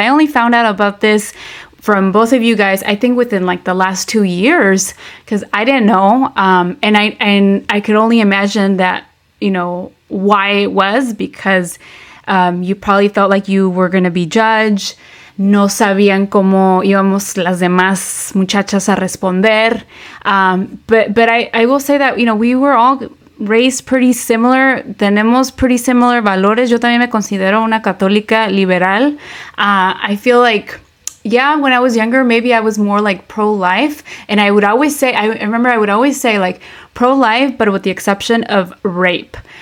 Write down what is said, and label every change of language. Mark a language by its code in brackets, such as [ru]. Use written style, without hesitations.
[en] I only found out about this from both of you guys, I think within like the last 2 years, because I didn't know. And I could only imagine that, you know, why it was, because you probably felt like you were going to be judged. [es] No sabían cómo íbamos las demás muchachas a responder. [en] But I will say that, you know, we were all raised pretty similar. [es] Tenemos [en] pretty similar [es] valores. Yo también me considero una católica liberal. [en] I feel like, yeah, when I was younger, maybe I was more like pro-life. And I would always say, I would always say like pro-life, but with the exception of rape.